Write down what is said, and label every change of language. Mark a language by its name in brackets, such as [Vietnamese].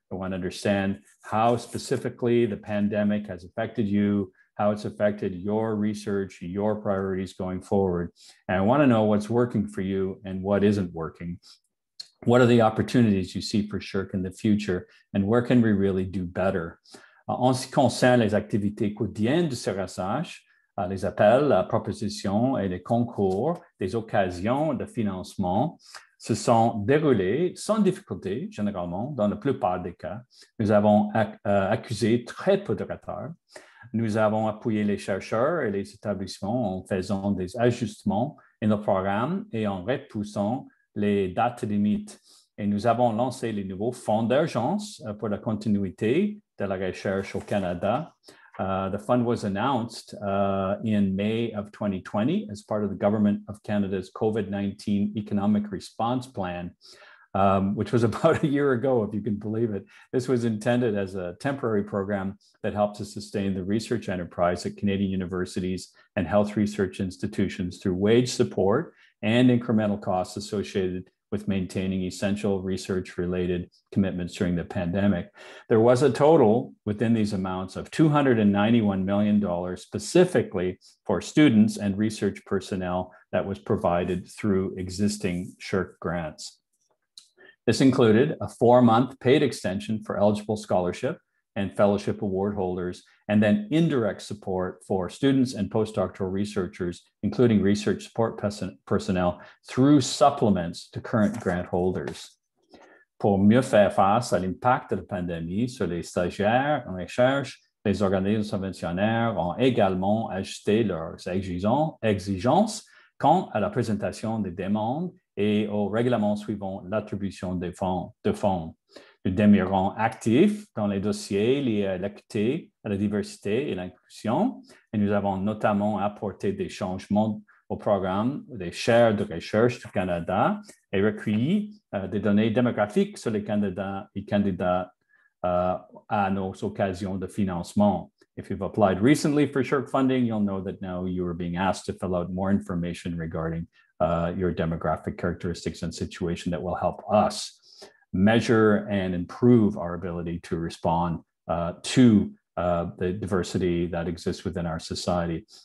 [English] I want to understand how specifically the pandemic has affected you, how it's affected your research, your priorities going forward. And I want to know what's working for you and what isn't working. What are the opportunities you see for SSHRC in the future? And where can we really do better? [French] En ce qui concerne les activités quotidiennes de CRSH, les appels, la proposition et les concours, des occasions de financement se sont déroulés sans difficulté, généralement, dans la plupart des cas. Nous avons accusé très peu de retard. Nous avons appuyé les chercheurs et les établissements en faisant des ajustements dans nos programmes et en repoussant les dates limites. Et nous avons lancé les nouveaux fonds d'urgence pour la continuité de la recherche au Canada. [English] The fund was announced in May of 2020 as part of the Government of Canada's COVID-19 Economic Response Plan, which was about a year ago, if you can believe it. This was intended as a temporary program that helped to sustain the research enterprise at Canadian universities and health research institutions through wage support and incremental costs associated with maintaining essential research-related commitments during the pandemic. There was a total within these amounts of $291 million specifically for students and research personnel that was provided through existing SSHRC grants. This included a four-month paid extension for eligible scholarship and fellowship award holders, and then indirect support for students and postdoctoral researchers, including research support personnel, through supplements to current grant holders. [French] Pour mieux faire face à l'impact de la pandémie sur les stagiaires en recherche, les organismes subventionnaires ont également ajusté leurs exigences quant à la présentation des demandes et au règlement suivant l'attribution de fonds. Nous demeurons actifs dans les dossiers liés à l'équité, à la diversité et l'inclusion, et nous avons notamment apporté des changements au programme des chaires de recherche du Canada et recueilli des données démographiques sur les candidats et candidates à nos occasions de financement. [English] If you've applied recently for SSHRC funding, you'll know that now you are being asked to fill out more information regarding your demographic characteristics and situation that will help us measure and improve our ability to respond to the diversity that exists within our society.